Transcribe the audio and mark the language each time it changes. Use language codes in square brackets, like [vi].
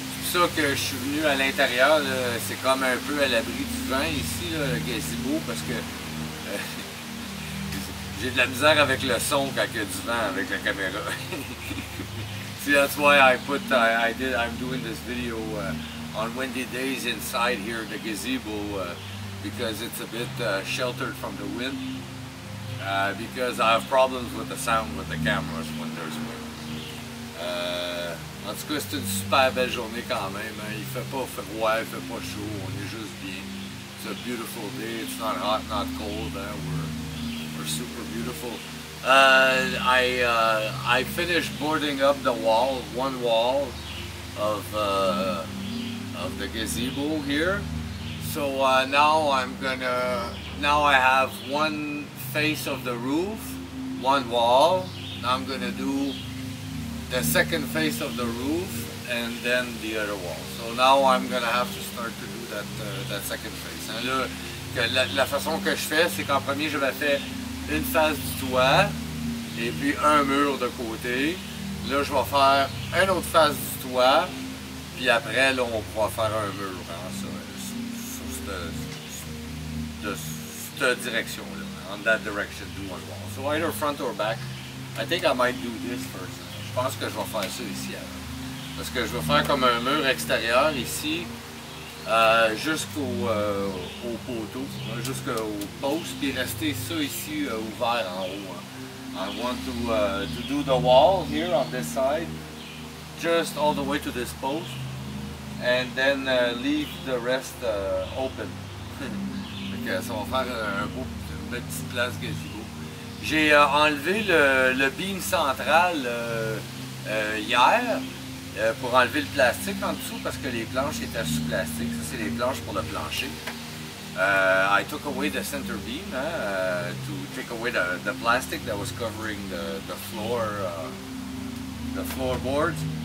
[fr] C'est pour ça que je suis venu à l'intérieur, là. C'est comme un peu à l'abri du vent ici, là, le gazebo, parce que j'ai de la misère avec le son quand il y a du vent avec la caméra. [en] See, that's why I'm doing this video on windy days inside here, the gazebo, because it's a bit sheltered from the wind. Because I have problems with the sound with the cameras when there's wind. [fr] En tout cas, c'est une super belle journée quand même. Hein. Il fait pas froid, il fait pas chaud, on est juste bien. [en] It's a beautiful day, it's not hot, not cold, hein. We're super beautiful. I finished boarding up the wall, one wall of the gazebo here. So now I have one face of the roof, one wall. Now I'm gonna do the second face of the roof and then the other wall. So now I'm gonna have to start to do that second face. [fr] Hein, là, la façon que je fais, c'est qu'en premier, je vais faire une face du toit et puis un mur de côté. Là, je vais faire une autre face du toit, puis après, là, on pourra faire un mur. Hein, sur cette direction-là. [en] On that direction, do one wall. So either front or back. I think I might do this first. [fr] Je pense que je vais faire ça ici avant. Parce que je vais faire comme un mur extérieur ici, jusqu'au poteau, hein, jusqu'au poste, puis rester ça ici ouvert en haut. Hein. [en] I want to do the wall here on this side, just all the way to this post, and then leave the rest open. [fr] Donc ça va faire une belle petite place gazebo. J'ai enlevé le beam central hier pour enlever le plastique en dessous parce que les planches étaient sous plastique. Ça, c'est les planches pour le plancher. [en] I took away the center beam to take away the plastic that was covering the floor, the floorboards.